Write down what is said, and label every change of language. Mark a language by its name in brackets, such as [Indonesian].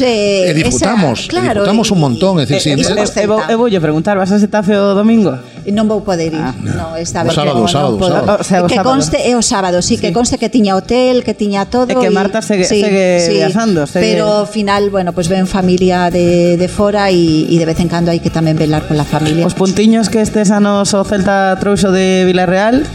[Spanish] e disfrutamos, esa, claro, disfrutamos un montón. [Galician] Eu vou preguntar, vas a Xetafe o domingo? Non vou poder ir. O sábado. Que conste que tiña hotel, que tiña todo. E que Marta segue viajando. Pero ao final, bueno, pues ven familia de fora e de vez en cando hai que tamén velar pola familia. Os puntiños que estes anos o Celta trouxo de Vilarreal.